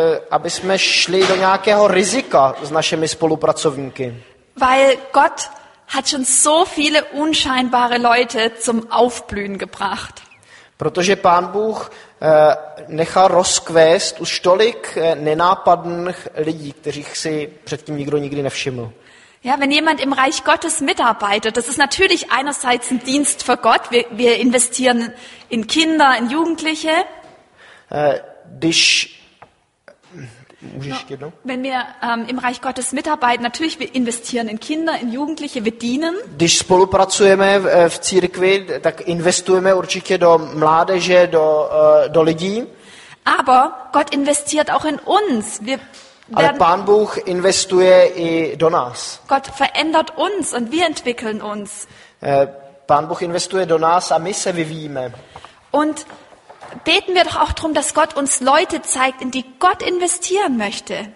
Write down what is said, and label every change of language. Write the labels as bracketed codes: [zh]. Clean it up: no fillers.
[cs] Aby jsme šli do nějakého rizika s našimi spolupracovníky. [de] Weil Gott hat schon so viele unscheinbare Leute zum Aufblühen gebracht. [cs] Protože Pán Bůh nechal rozkvést už tolik nenápadných lidí, kterých si předtím nikdo nikdy nevšiml. [de] Ja, wenn jemand im Reich Gottes mitarbeitet, das ist natürlich einerseits ein Dienst für Gott. Wir investieren in Kinder, in Jugendliche. [cs] Když Můžeš ještě jednou? [de] Wenn wir im Reich Gottes mitarbeiten, natürlich wir investieren in Kinder, in Jugendliche, wir dienen. [cs] Když spolupracujeme v církvi, tak investujeme určitě do mládeže, do lidí. [de] Aber Gott investiert auch in uns. [cs] Ale Pán Bůh investuje i do nás. [de] Gott verändert uns und wir entwickeln uns. [cs] Pán Bůh investuje do nás a my se vyvíjíme. [de] Und beten wir doch auch drum, dass Gott uns Leute zeigt, in die Gott investieren möchte.